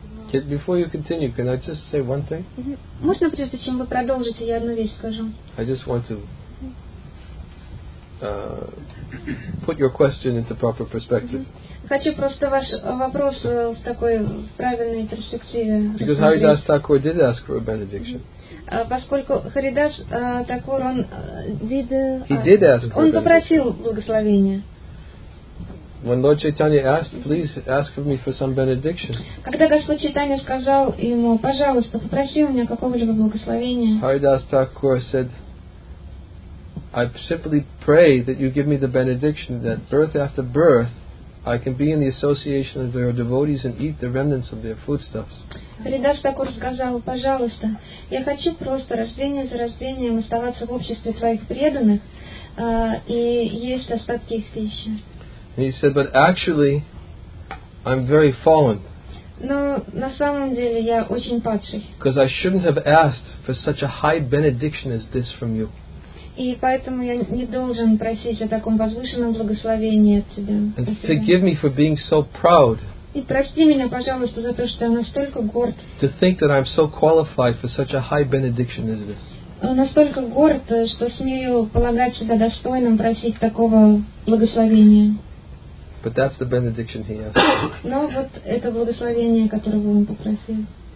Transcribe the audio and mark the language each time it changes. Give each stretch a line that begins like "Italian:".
English: Kid, before you continue, can I just say one thing?
Russian: Можно прежде чем вы продолжите, я одну вещь скажу.
English: I just want to put your question into proper perspective.
Russian: Хочу просто ваш вопрос в такой правильной перспективе.
English: Because Haridas Thakur did ask for a benediction.
Russian: Поскольку Харидас Такур он
English: did. He did ask.
Russian: Он попросил благословения.
English: When Lord Chaitanya asked, please ask for me for some benediction.
Russian: Когда Господь Чайтанья сказал ему, пожалуйста, попроси у меня какого-либо благословения.
English: Haridas Thakur said, I simply pray that you give me the benediction that birth after birth I can be in the association of their devotees and eat the remnants of their foodstuffs.
Russian: Haridas Thakur сказал, пожалуйста, я хочу просто рождение за рождением оставаться в обществе твоих преданных и есть остатки их пищи.
English: He said, but actually, I'm very fallen.
Russian: Но на самом деле я очень падший.
English: Because I shouldn't have asked for such a high benediction as this from you.
Russian: И поэтому я не должен просить о таком возвышенном благословении от тебя.
English: And forgive me for being so proud.
Russian: И прости меня, пожалуйста, за то, что я настолько горд.
English: To think that I'm so qualified for such a high benediction as this.
Russian: Настолько горд, что смею полагать себя достойным просить такого благословения.
English: But that's the benediction he asked.
Russian: Но вот это благословение, которого он попросил.